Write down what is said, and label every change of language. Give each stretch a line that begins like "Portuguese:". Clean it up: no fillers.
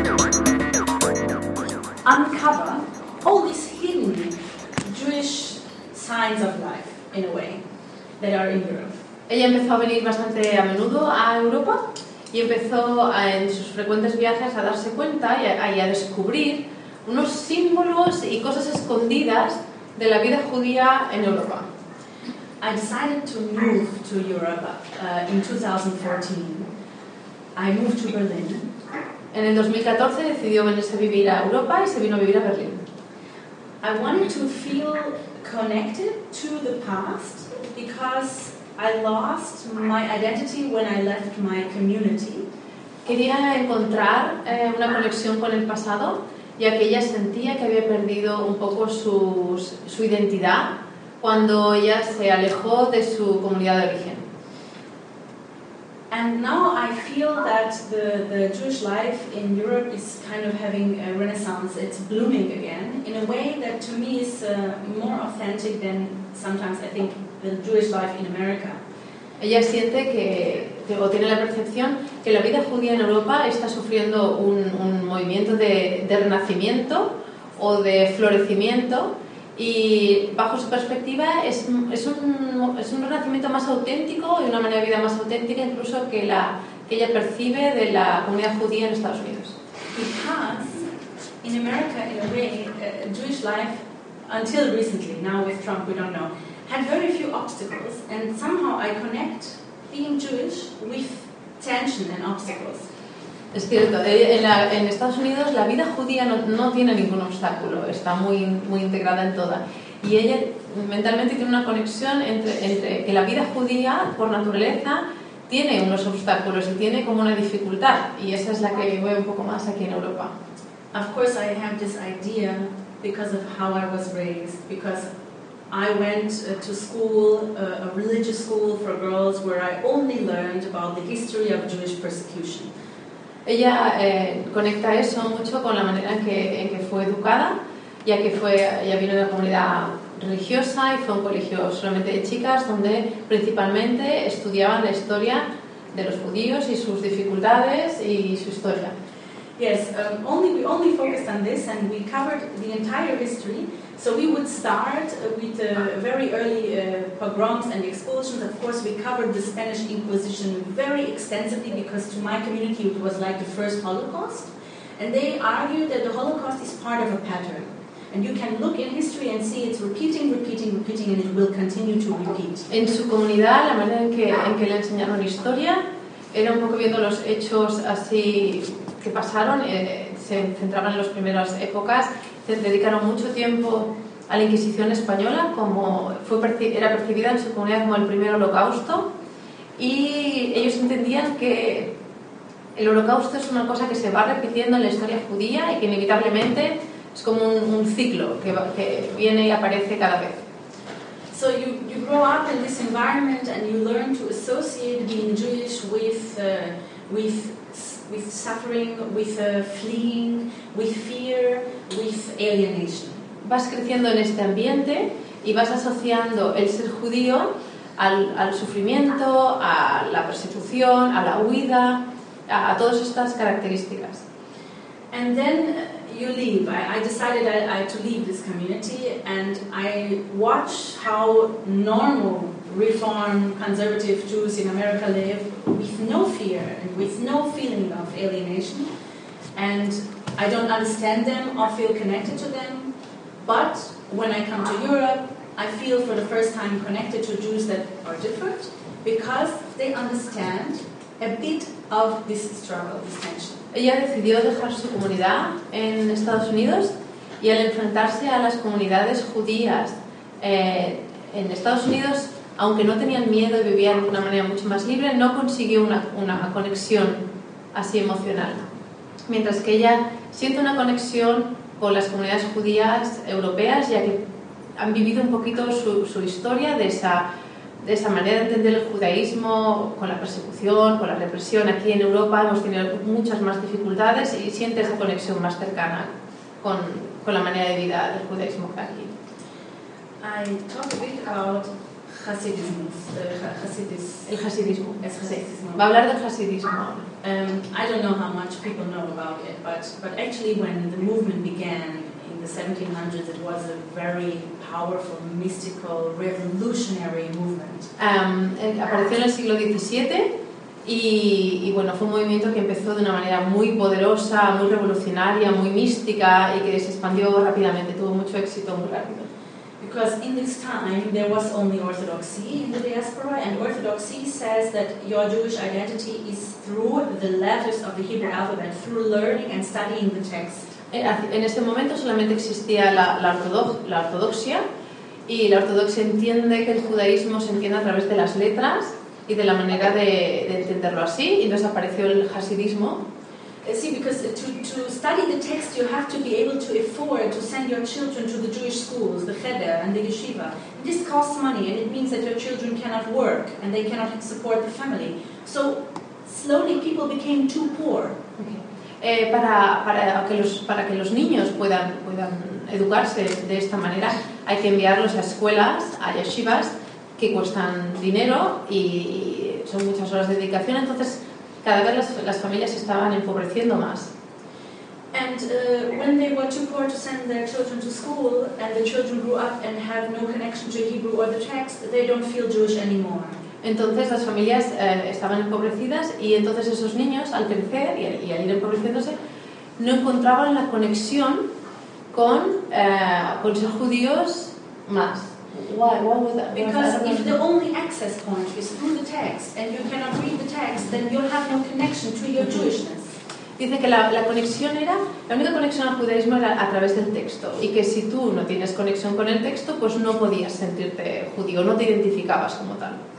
English: Uncover all these hidden Jewish signs of life, in a way, that are in Europe.
Spanish: Ella empezó a venir bastante a menudo a Europa y empezó a, en sus frecuentes viajes a darse cuenta y a descubrir unos símbolos y cosas escondidas de la vida judía en Europa.
English: I decided to move to Europe in 2014. I moved to Berlin.
Spanish: En el 2014 decidió venirse a vivir a Europa y se vino a vivir a Berlín.
English: I wanted to feel connected to the past because I lost my identity when I left my community.
Spanish: Quería encontrar una conexión con el pasado, ya que ella sentía que había perdido un poco su identidad cuando ella se alejó de su comunidad de origen.
English: And now I feel that the Jewish life in Europe is kind of having a renaissance. It's blooming again in a way that to me is more authentic than sometimes I think the Jewish life in America.
Spanish: Ella siente que o tiene la percepción que la vida judía en Europa está sufriendo un movimiento de renacimiento o de florecimiento, y bajo su perspectiva es un renacimiento más auténtico y una manera de vida más auténtica incluso que la que ella percibe de la comunidad judía en Estados Unidos.
English: Because in America, in a way, Jewish life until recently, now with Trump we don't know, had very few obstacles, and somehow I connect being Jewish with tension and obstacles.
Spanish: Es cierto, en Estados Unidos la vida judía no tiene ningún obstáculo, está muy, muy integrada en toda. Y ella mentalmente tiene una conexión entre que la vida judía, por naturaleza, tiene unos obstáculos y tiene como una dificultad, y esa es la que voy un poco más aquí en Europa.
English: Of course I have this idea because of how I was raised, because I went to school, a religious school for girls, where I only learned about the history of Jewish persecution.
Spanish: Ella conecta eso mucho con la manera en que fue educada, ya que ella vino de una comunidad religiosa y fue un colegio solamente de chicas, donde principalmente estudiaban la historia de los judíos y sus dificultades y su historia.
English: Yes, we only focused on this and we covered the entire history. So we would start with the very early pogroms and expulsions. Of course, we covered the Spanish Inquisition very extensively because to my community it was like the first Holocaust. And they argue that the Holocaust is part of a pattern. And you can look in history and see it's repeating, repeating, repeating, and it will continue to repeat.
Spanish: En su comunidad, la manera en que le enseñaron historia era un poco viendo los hechos así que pasaron, se centraban en las primeras épocas. Se dedicaron mucho tiempo a la Inquisición española, como era percibida en su comunidad como el primer holocausto, y ellos entendían que el holocausto es una cosa que se va repitiendo en la historia judía y que inevitablemente es como un ciclo que viene y aparece cada vez.
English: So you grow up in this environment and you learn to associate being Jewish with suffering, with fleeing, with fear, with alienation.
Spanish: Vas creciendo en este ambiente y vas asociando el ser judío al sufrimiento, a la persecución, a la huida, a todas estas características.
English: And then you leave. I decided to leave this community and I watch how normal Reform conservative Jews in America live with no fear and with no feeling of alienation, and I don't understand them or feel connected to them, but when I come to Europe I feel for the first time connected to Jews that are different because they understand a bit of this struggle, this tension.
Spanish: Ella decidió dejar su comunidad en Estados Unidos, y al enfrentarse a las comunidades judías en Estados Unidos, aunque no tenían miedo y vivían de una manera mucho más libre, no consiguió una conexión así emocional. Mientras que ella siente una conexión con las comunidades judías europeas, ya que han vivido un poquito su historia de esa manera de entender el judaísmo, con la persecución, con la represión. Aquí en Europa hemos tenido muchas más dificultades y siente esa conexión más cercana con la manera de vida del judaísmo que aquí.
English: I talk a bit about Hasidism.
Spanish: El Hasidismo. Va a hablar del Hasidismo.
English: I don't know how much people know about it, but actually when the movement began in the 1700s, it was a very powerful, mystical, revolutionary movement.
Spanish: Apareció en el siglo XVII. Y bueno, fue un movimiento que empezó de una manera muy poderosa, muy revolucionaria, muy mística y que se expandió rápidamente, tuvo mucho éxito muy rápido.
English: Because in this time there was only Orthodoxy in the diaspora, and Orthodoxy says that your Jewish identity is through the letters of the Hebrew alphabet, through learning and studying the text.
Spanish: En este momento solamente existía la ortodoxia, y la ortodoxia entiende que el judaísmo se entiende a través de las letras y de la manera de entenderlo así, y entonces apareció el hasidismo.
English: Sí, because to study the text you have to be able to afford to send your children to the Jewish schools, the cheder and the yeshiva. This costs money and it means that your children cannot work and they cannot support the family. So slowly people became too poor. Okay.
Spanish: Para que los niños puedan educarse de esta manera, hay que enviarlos a escuelas, a yeshivas, que cuestan dinero y son muchas horas de dedicación, entonces cada vez las familias estaban empobreciendo más.
English: And when they were too poor to send their children to school and the children grew up and have no connection to Hebrew or the text, they don't feel Jewish anymore.
Spanish: Entonces las familias estaban empobrecidas y entonces esos niños al crecer y al ir empobreciéndose no encontraban la conexión con ser judíos más.
English: Why was that? Because if the only access point is through the text and you cannot read the text, then you have no connection to your Jewishness.
Spanish: Dice que la única conexión al judaísmo era a través del texto, y que si tú no tienes conexión con el texto, pues no podías sentirte judío, no te identificabas como tal.